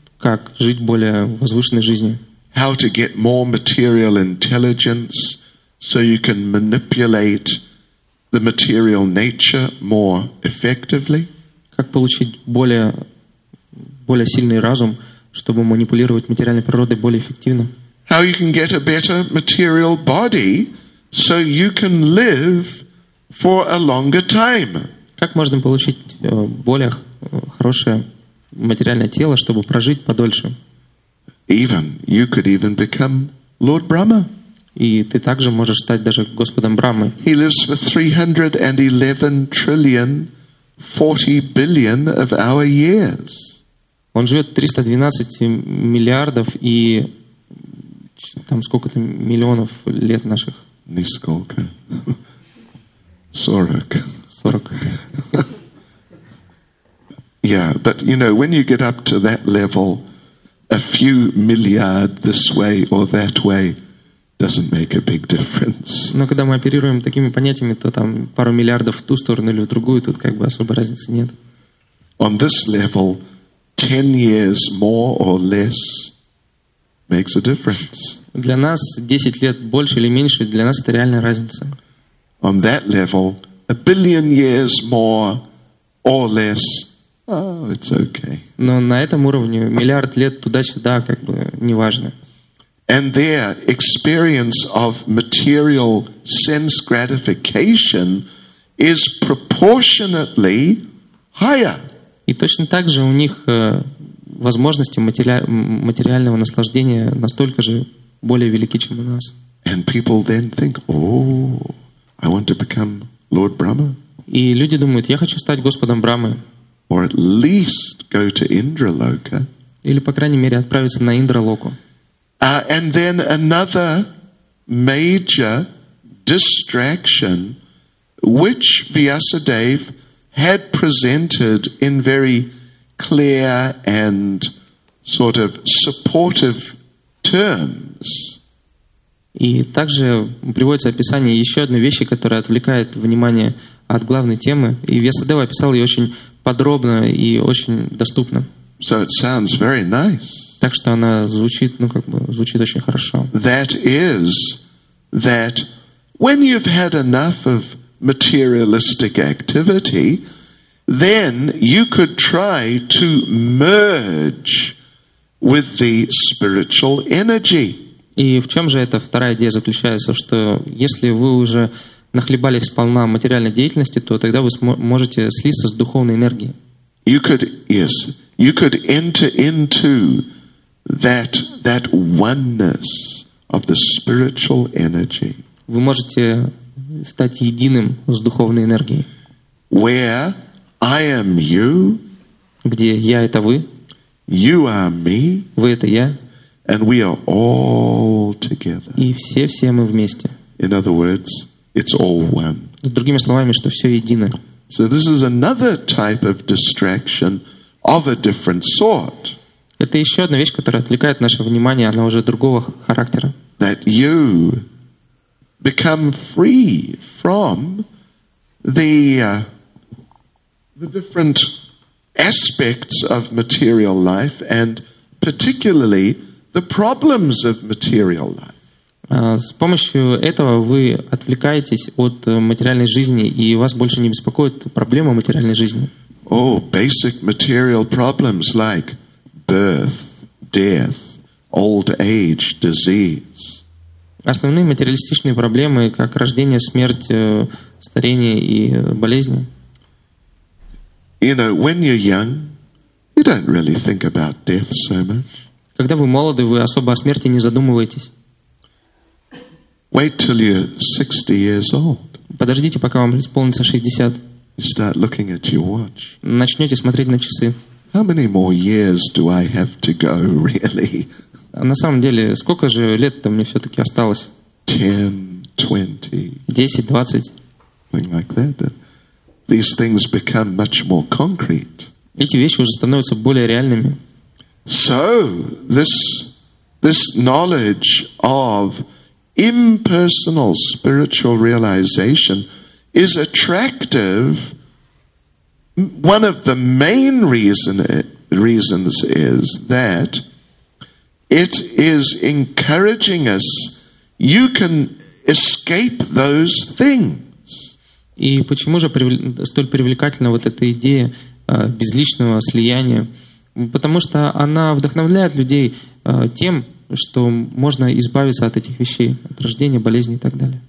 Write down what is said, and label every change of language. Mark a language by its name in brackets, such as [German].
[Russian] Как жить более возвышенной жизнью. [English] How to get more material intelligence so you can manipulate the material nature more effectively. [Russian] Как получить более сильный разум, чтобы манипулировать материальной природой более эффективно. [English] How you can get a better material body so you can live for a longer time. [Russian] Как можно получить более хорошее материальное тело, чтобы прожить подольше? [English] Even you could even become Lord Brahma. [Russian] И ты также можешь стать даже Господом Брахмой. [English] He lives for 311 trillion 40 billion of our years. [Russian] Он живет 312 миллиардов и там сколько-то миллионов лет наших. Нисколько. 40. 40. [English] Yeah, but you know, when you get up to that level, a few milliard this way or that way doesn't make a big difference. [Russian] Но когда мы оперируем такими понятиями, то там пару миллиардов в ту сторону или в другую, тут как бы особой разницы нет. [English] On this level, 10 years more or less makes a difference. [Russian] Для нас 10 лет больше или меньше, для нас это реальная разница. [English] On that level, a billion years more or less, oh, it's okay. [Russian] Но на этом уровне миллиард лет туда-сюда, как бы, неважно. [English] And their experience of material sense gratification is proportionately higher. [Russian] И точно так же у них возможности материального наслаждения настолько же более велики, чем у нас. [English] And people then think, oh, I want to become Lord Brahma. [Russian] И люди думают, я хочу стать Господом Брахмой. [English] Or at least go to Indraloka. [Russian] Или, по крайней мере, отправиться на Индралоку. [English] And then another major distraction, which Vyasadeva had presented in very clear and sort of supportive terms. [Russian] И также приводится описание еще одной вещи, которая отвлекает внимание от главной темы. И Вьясадева описал ее очень подробно и очень доступно. [English] So it sounds very nice. [Russian] Так что она звучит, ну как бы, звучит очень хорошо. [English] That is that when you've had enough of materialistic activity, then you could try to merge with the spiritual energy. [Russian] И в чем же эта вторая идея заключается, что если вы уже нахлебались сполна материальной деятельности, то тогда вы можете слиться с духовной энергией. [English] You could, yes, you could enter into that oneness of the spiritual energy. [Russian] Вы можете стать единым с духовной энергией. [English] Where I am you. [Russian] Где я — это вы. [English] You are me. [Russian] Вы — это я. [English] And we are all together. [Russian] И все-все мы вместе. [English] In other words, it's all one. [Russian] С другими словами, что все едино. [English] So this is another type of distraction of a different sort. [Russian] Это еще одна вещь, которая отвлекает наше внимание, она уже другого характера. [English] That you become free from the different aspects of material life and particularly the problems of material life. [Russian] С помощью этого вы отвлекаетесь от материальной жизни и вас больше не беспокоит проблема материальной жизни. [English] Oh, basic material problems like birth, death, old age, disease. [Russian] Основные материалистичные проблемы, как рождение, смерть, старение и болезни. [English] You know, when you're young, you don't really think about death so much. [Russian] Когда вы молоды, вы особо о смерти не задумываетесь. [English] Wait till you're 60 years old. [Russian] Подождите, пока вам исполнится 60. [English] You start looking at your watch. [Russian] Начнете смотреть на часы. [English] How many more years do I have to go, really? [Russian] На самом деле, сколько же лет-то мне все-таки осталось? [English] 10, 20. [Russian] 10-20. [English] Something like that. These things become much more concrete. [Russian] Эти вещи уже становятся более реальными. [English] So this knowledge of impersonal spiritual realization is attractive. One of the main reasons is that it is encouraging us. You can escape those things. [Russian] И почему же столь привлекательна вот эта идея безличного слияния? потому что она вдохновляет людей тем, что можно избавиться от этих вещей, от рождения, болезни и так далее.